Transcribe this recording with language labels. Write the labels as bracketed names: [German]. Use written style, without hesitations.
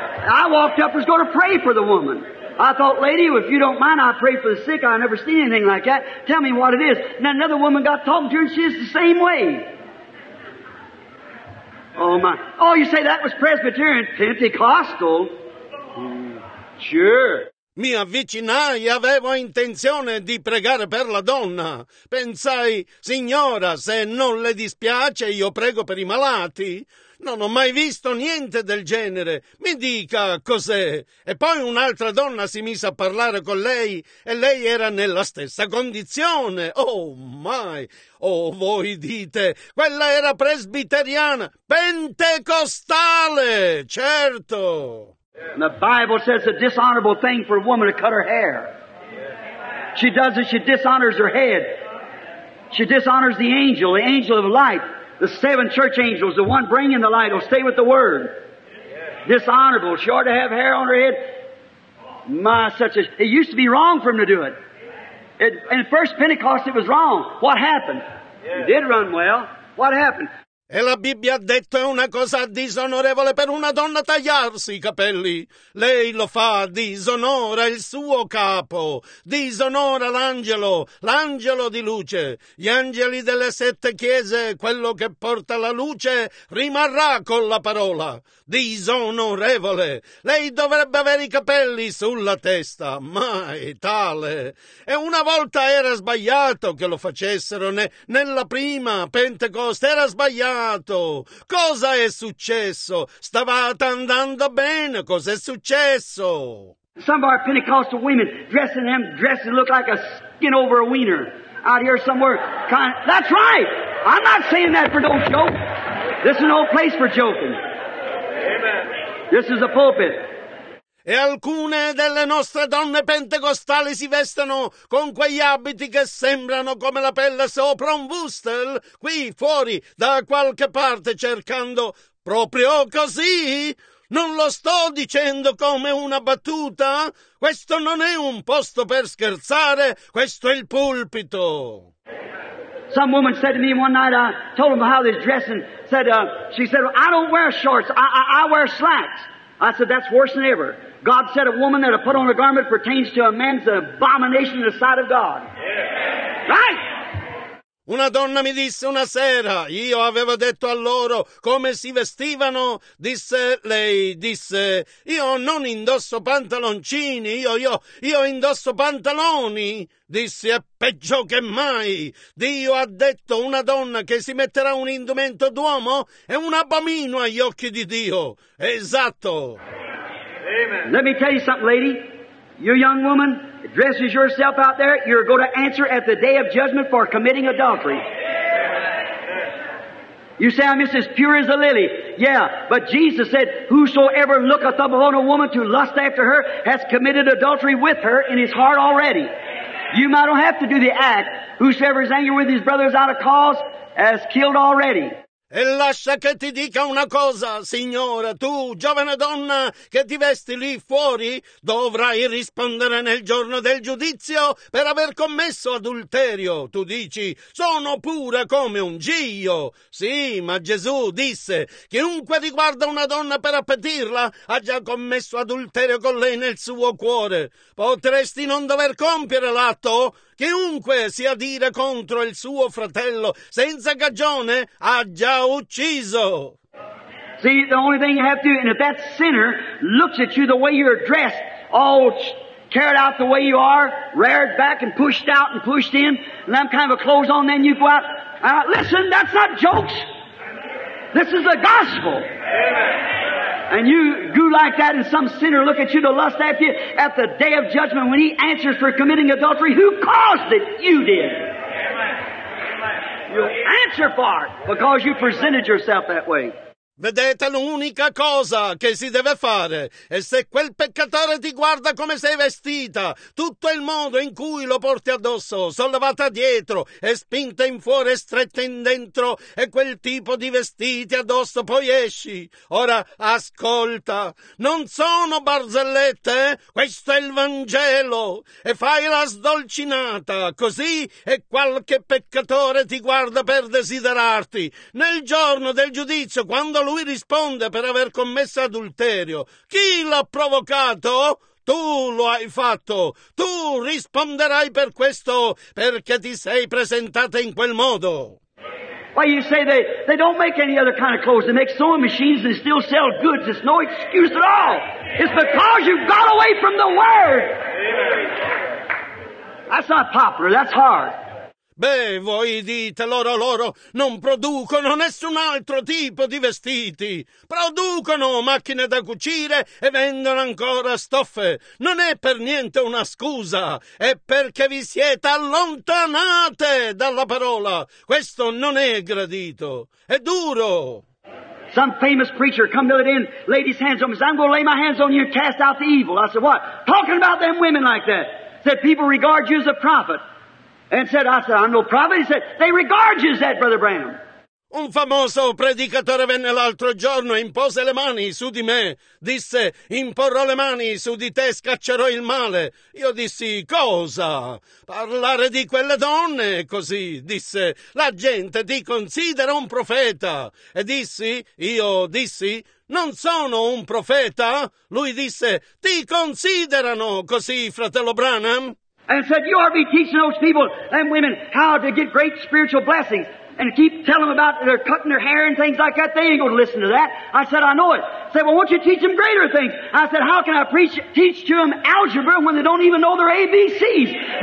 [English] I walked up, was going to pray for the woman. I thought, lady, if you don't mind, I pray for the sick. I never seen anything like that. Tell me what it is. Now another woman got talking to her, and she is the same way. Oh, my. Oh, you say that was Presbyterian. Pentecostal. Sure. [Italian] Mi avvicinai, avevo intenzione di pregare per la donna. Pensai, signora, se non le dispiace, io prego per i malati. Non ho mai visto niente del genere. Mi dica cos'è. E poi un'altra donna si mise a parlare con lei e lei era nella stessa condizione. Oh, mai. Oh, voi dite, quella era presbiteriana. Pentecostale, certo. [English] And the Bible says it's a dishonorable thing for a woman to cut her hair. She does it, she dishonors her head. She dishonors the angel of light. The seven church angels, the one bringing the light, will stay with the word. Dishonorable. She ought to have hair on her head. My, such a... It used to be wrong for them to do it. In first Pentecost, it was wrong. What happened? It did run well. What happened? [Italian] E la Bibbia ha detto è una cosa disonorevole per una donna tagliarsi i capelli. Lei lo fa, disonora il suo capo, disonora l'angelo, l'angelo di luce. Gli angeli delle sette chiese, quello che porta la luce, rimarrà con la parola. Disonorevole. Lei dovrebbe avere i capelli sulla testa, mai tale. E una volta era sbagliato che lo facessero nella prima Pentecoste, era sbagliato. Cosa è successo? Stavate andando bene. Cosa è successo? [English] Some of our Pentecostal women dressing them dressing look like a skin over a wiener out here somewhere. Kind of, that's right. I'm not saying that for no joke. This is no place for joking. Amen. This is a pulpit. [Italian] E alcune delle nostre donne pentecostali si vestono con quegli abiti che sembrano come la pelle sopra un wurstel, qui fuori, da qualche parte, cercando proprio così. Non lo sto dicendo come una battuta. Questo non è un posto per scherzare, questo è il pulpito. [English] Some woman said to me one night, I told him how they're dressing, she said, I don't wear shorts, I wear slacks. I said, that's worse than ever. God said a woman that'll put on a garment pertains to a man's abomination in the sight of God. Yeah. Right? [Italian] Una donna mi disse una sera, io avevo detto a loro come si vestivano, disse, io non indosso pantaloncini, io indosso pantaloni, disse, è peggio che mai. Dio ha detto una donna che si metterà un indumento d'uomo è un abomino agli occhi di Dio. Esatto. Amen. [English] Let me tell you something, lady. You young woman, dresses yourself out there, you're going to answer at the day of judgment for committing adultery. You say, I'm just as pure as a lily. Yeah, but Jesus said, whosoever looketh upon a woman to lust after her has committed adultery with her in his heart already. You might don't have to do the act. Whosoever is angry with his brother is out of cause, has killed already. [Italian] E lascia che ti dica una cosa, signora, tu, giovane donna, che ti vesti lì fuori, dovrai rispondere nel giorno del giudizio per aver commesso adulterio. Tu dici, sono pura come un giglio. Sì, ma Gesù disse, chiunque riguarda una donna per appetirla ha già commesso adulterio con lei nel suo cuore. Potresti non dover compiere l'atto? Chiunque si adira contro il suo fratello senza cagione ha già ucciso. [English] See, the only thing you have to do, and if that sinner looks at you the way you're dressed, all carried out the way you are, reared back and pushed out and pushed in, and that kind of a clothes on, then you go out. Listen, that's not jokes. This is the gospel. And you do like that, and some sinner look at you to lust after you at the day of judgment when he answers for committing adultery. Who caused it? You did. Amen. Amen. You answer for it because you presented yourself that way. [Italian] Vedete, l'unica cosa che si deve fare è se quel peccatore ti guarda come sei vestita, tutto il modo in cui lo porti addosso, sollevata dietro e spinta in fuori e stretta in dentro, e quel tipo di vestiti addosso, poi esci. Ora, ascolta, non sono barzellette, questo è il Vangelo, e fai la sdolcinata, così e qualche peccatore ti guarda per desiderarti. Nel giorno del giudizio, quando lui risponde per aver commesso adulterio, chi l'ha provocato? Tu lo hai fatto. Tu risponderai per questo, perché ti sei presentata in quel modo. [English] Why, you say they don't make any other kind of clothes. They make sewing machines and still sell goods. It's no excuse at all. It's because you've got away from the word. That's not popular. That's hard. [Italian] Beh, voi dite, loro non producono nessun altro tipo di vestiti. Producono macchine da cucire e vendono ancora stoffe. Non è per niente una scusa, è perché vi siete allontanate dalla parola. Questo non è gradito, è duro. [English] Some famous preacher come the other day and laid his hands on me. I'm going to lay my hands on you and cast out the evil. I said, what? Talking about them women like that. Said, people regard you as a prophet. And said, I said, I'm no prophet. He said, they regard you as that, Brother Branham. [Italian] Un famoso predicatore venne l'altro giorno e impose le mani su di me. Disse, imporrò le mani su di te e scaccerò il male. Io dissi, cosa? Parlare di quelle donne? Così, disse, la gente ti considera un profeta. E io dissi, non sono un profeta? Lui disse, ti considerano così, fratello Branham? [English] And said, you ought to be teaching those people, them women, how to get great spiritual blessings. And keep telling them about they're cutting their hair and things like that. They ain't going to listen to that. I said, I know it. Said, well, won't you teach them greater things? I said, how can I teach to them algebra when they don't even know their ABCs?